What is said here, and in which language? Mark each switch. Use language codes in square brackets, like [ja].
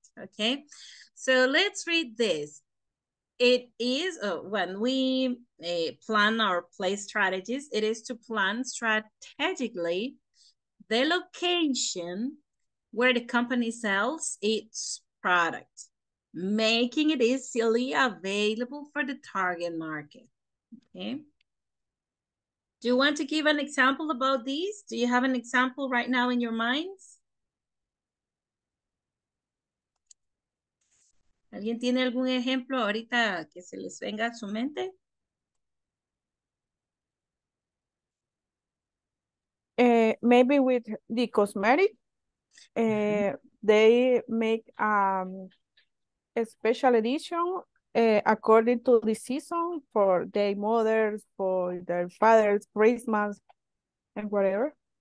[en] Okay, so let's read this. It is when we plan our place strategies, it is to plan strategically the location where the company sells its product, making it easily available for the target market. Okay. Do you want to give an example about these? Do you have an example right now in your minds? [es] ¿Alguien tiene algún ejemplo ahorita que se les venga a su mente? [en] Maybe with the cosmetic, they make a special edition according to the season, for their mothers, for their fathers, Christmas, and whatever.